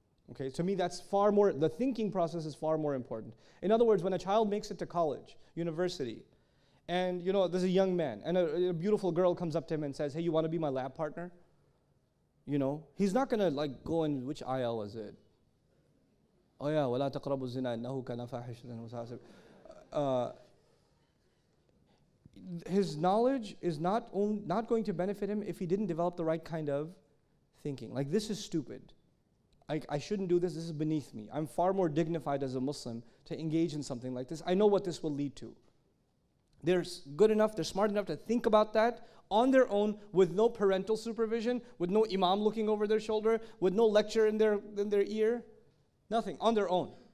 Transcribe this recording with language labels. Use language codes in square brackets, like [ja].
[en] Okay, to me, that's far more, the thinking process is far more important. In other words, when a child makes it to college, university, and, you know, there's a young man, and a beautiful girl comes up to him and says, "Hey, you want to be my lab partner?" You know, he's not going to, like, go in, which ayah was it? Oh, yeah, [ar] وَلَا تَقْرَبُوا الزِّنَا إِنَّهُ كَانَ فَاحِشَةً وَسَاءَ. [en] His knowledge is not going to benefit him if he didn't develop the right kind of thinking. Like, this is stupid. I shouldn't do this. This is beneath me. I'm far more dignified as a Muslim to engage in something like this. I know what this will lead to. They're good enough, they're smart enough to think about that on their own with no parental supervision, with no imam looking over their shoulder, with no lecture in their ear, nothing, on their own.